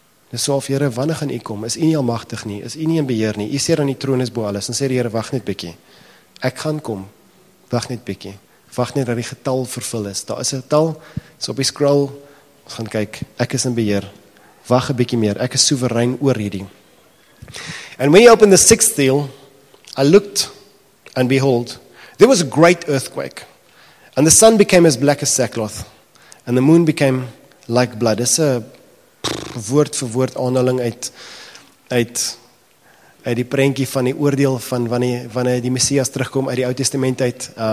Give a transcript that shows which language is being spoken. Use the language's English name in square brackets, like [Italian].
[Afrikaans] Dis so of, Here, wanneer gaan u kom? Is u nie almagtig nie? Is u nie in beheer nie? U sê dan die troon is bo alles. En sê die Here, wag net bietjie. Ek gaan kom. Wag net bietjie. Wag net dat die getal vervul is. Daar is 'n getal. Dis op die scroll. Ons gaan kyk. Ek is in beheer. Wag 'n bietjie meer. Ek is soewerein oor hierdie. [English] And when he opened the sixth seal, I looked and behold, there was a great earthquake. And the sun became as black as sackcloth. And the moon became like blood. [Afrikaans] Dis 'n woord vir woord aanhaling uit die prentjie van die oordeel van wanneer die Messias terugkom uit die Ou Testament uit.